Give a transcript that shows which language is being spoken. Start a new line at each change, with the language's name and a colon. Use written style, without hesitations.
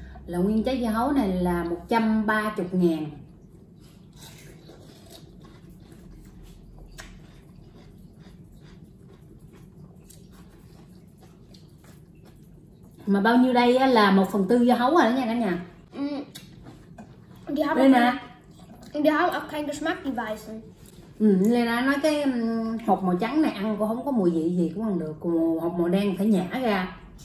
Vietnamese: Là nguyên trái dưa hấu này là 130 ngàn. Mà bao nhiêu đây là 1/4 dưa hấu rồi đó nha cả nhà.
German: Die haben auch keinen Geschmack, die weißen.
Vietnamese: Lena nói cái hộp màu trắng này ăn cũng không có mùi vị gì cũng ăn được. Còn hộp màu đen phải nhả ra.